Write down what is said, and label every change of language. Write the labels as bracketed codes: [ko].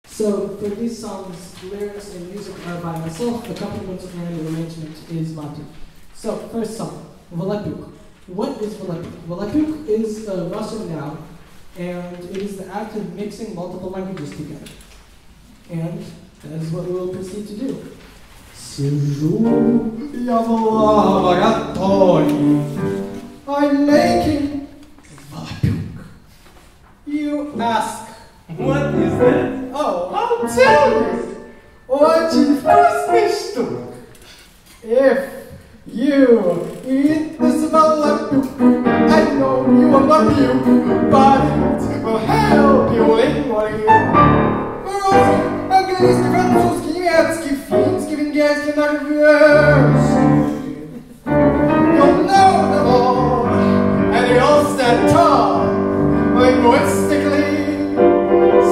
[en] So for these songs, lyrics and music are by myself. The accompaniment of my arrangement is Matti. So first song, Volapük. What is Volapük? Volapük is a Russian noun, and it is the act of mixing multiple languages together. And that is what we will proceed to do. [ru] Сижу я в лаборатории, [en] I'm making Volapük. You ask, what is that? Oh, I'll tell you! [ru] Очень вкусный штук! [en] If you eat this Volapük, I know you will love you, but it will help you in learning [ru] Русский, английский, французский, немецкий, финский, венгерский, норвежский. [en] You'll know them all, and you'll stand tall, linguistically.